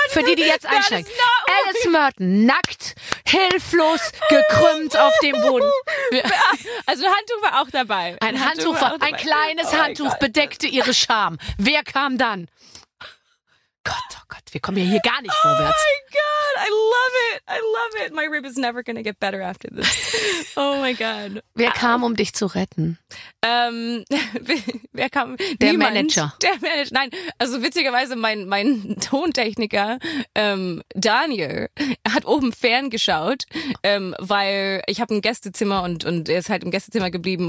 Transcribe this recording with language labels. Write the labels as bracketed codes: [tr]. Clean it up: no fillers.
[de] Für die, die jetzt einsteigen. Alice Merton, nackt, hilflos, gekrümmt auf dem Boden. Also ein Handtuch war auch dabei. Ein kleines Handtuch bedeckte ihre Scham. Wer kam dann? Gott, oh Gott, wir kommen ja hier gar nicht vorwärts. [en] Oh my God, I love it, I love it. My rib is never gonna get better after this. Oh my God. [de] Wer kam, um dich zu retten? Wer kam? Der niemand. Manager. Der Manager, nein. Also witzigerweise, mein Tontechniker, Daniel, hat oben ferngeschaut, weil ich habe ein Gästezimmer und er ist halt im Gästezimmer geblieben.